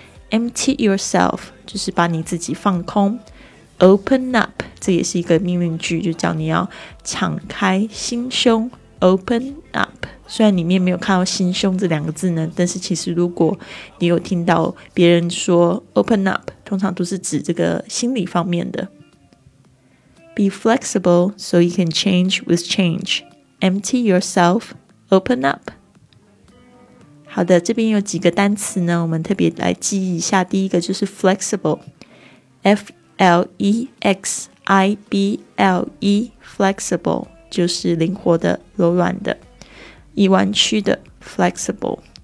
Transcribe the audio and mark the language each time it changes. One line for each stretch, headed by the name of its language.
English: Empty yourself
Chinese: 就是把你自己放空。
English: Open up,
Chinese: 这也是一个命令句，就叫你要敞开心胸。
English: Open up,
Chinese: 虽然里面没有看到心胸这两个字呢，但是其实如果你有听到别人说
English: open up,
Chinese: 通常都是指这个心理方面的。
English: Be flexible so you can change with change. Empty yourself, open up.
Chinese: 好的，这边有几个单词呢，我们特别来记忆一下。第一个就是 flexible, F-L-E-X-I-B-L-E, flexible, 就是灵活的，柔软的，易弯曲的， flexible.